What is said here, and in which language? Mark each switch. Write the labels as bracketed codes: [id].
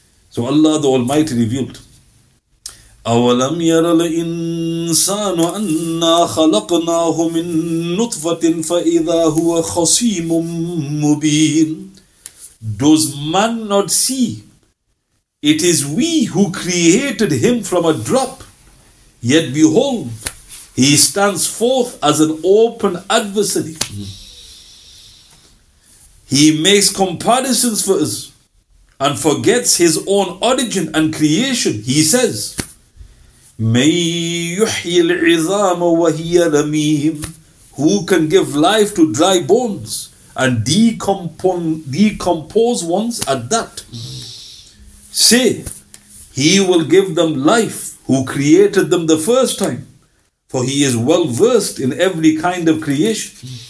[en] So Allah the Almighty revealed, [ar] أَوَلَمْ يَرَ الْإِنسَانُ أَنَّا خَلَقْنَاهُ مِن نُطْفَةٍ فَإِذَا هُوَ خَصِيمٌ مُبِينٌ. [en] Does man not see? It is we who created him from a drop. Yet behold, he stands forth as an open adversary. He makes comparisons for us and forgets his own origin and creation. He says, [ar] مَن يُحْيِي الْعِظَامَ وَهِيَ رَمِيمٌ. [en] Who can give life to dry bones and decompose ones at that? Say, he will give them life who created them the first time, for he is well versed in every kind of creation.